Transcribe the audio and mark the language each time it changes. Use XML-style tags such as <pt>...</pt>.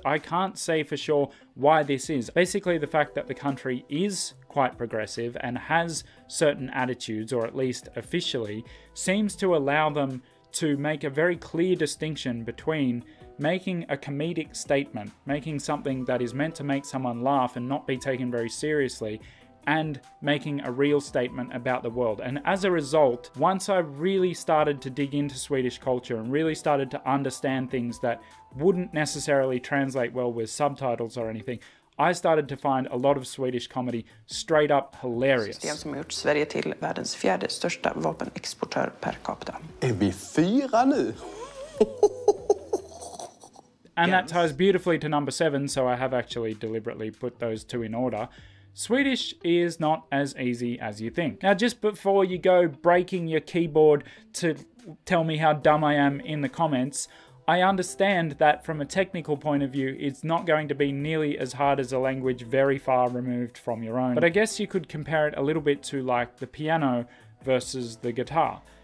<en>I can't say for sure why this is. Basically, the fact that the country is quite progressive and has certain attitudes, or at least officially, seems to allow them to make a very clear distinction between making a comedic statement, making something that is meant to make someone laugh and not be taken very seriously, and making a real statement about the world. And as a result, once I really started to dig into Swedish culture and really started to understand things that wouldn't necessarily translate well with subtitles or anything, I started to find a lot of Swedish comedy straight up hilarious.</en> <sv>System som gjort Sverige till världens fjärde största vapenexportör per capita. Är vi fyra nu?</sv> <en>And that ties beautifully to number 7, so I have actually deliberately put those two in order. Swedish is not as easy as you think. Now, just before you go breaking your keyboard to tell me how dumb I am in the comments, I understand that from a technical point of view, it's not going to be nearly as hard as a language very far removed from your own. But I guess you could compare it a little bit to like the piano versus the guitar.</en>